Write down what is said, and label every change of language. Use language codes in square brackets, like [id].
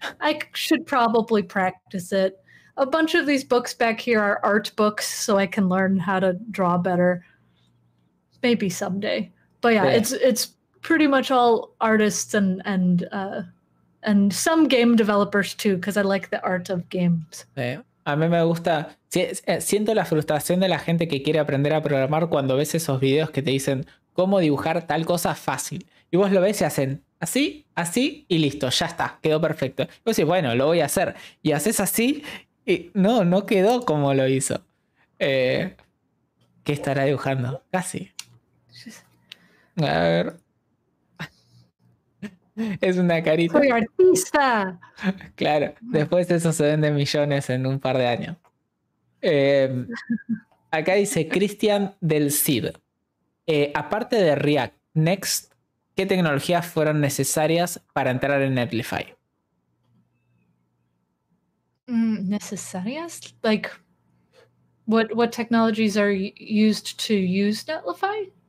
[en] I should probably practice it. A bunch of these books back here are art books, so I can learn how to draw better. Maybe someday. But yeah, it's pretty much all artists and some game developers too, because I like the art of games. [es] A mí me gusta. Siento la frustración de la gente que quiere aprender a programar cuando ves esos videos que te dicen cómo dibujar tal cosa fácil. Y vos lo ves y hacen así, así y listo, ya está, quedó perfecto. Y vos decís, bueno, lo voy a hacer. Y haces así y no quedó como lo hizo. ¿Qué estará dibujando? Casi. A ver. Es una carita. ¡Soy artista! Claro, después eso se vende millones en un par de años. Acá dice Cristian del CID. Aparte de React, Next, ¿qué tecnologías fueron necesarias para entrar en Netlify? ¿Necesarias? [en] Like, what technologies are used to use Netlify?